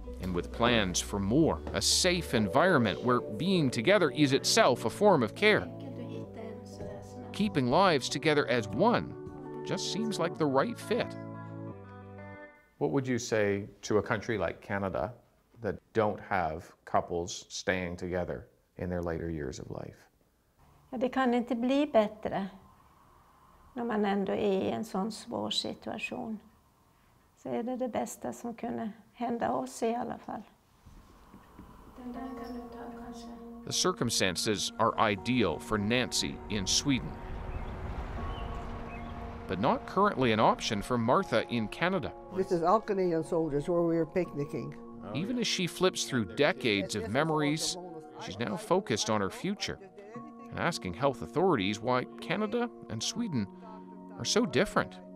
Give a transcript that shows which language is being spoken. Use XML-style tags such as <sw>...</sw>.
<en>And with plans for more, a safe environment where being together is itself a form of care. Keeping lives together as one just seems like the right fit. What would you say to a country like Canada that don't have couples staying together in their later years of life?</en> <sv>Det kan inte bli bättre när man ändå är i en sån svår situation. Så är det det bästa som kunde hända oss I alla fall.</sv> <en>The circumstances are ideal for Nancy in Sweden. But not currently an option for Martha in Canada. This is Alcany and Soldiers where we are picnicking. Even as she flips through decades of memories, she's now focused on her future and asking health authorities why Canada and Sweden are so different.</en>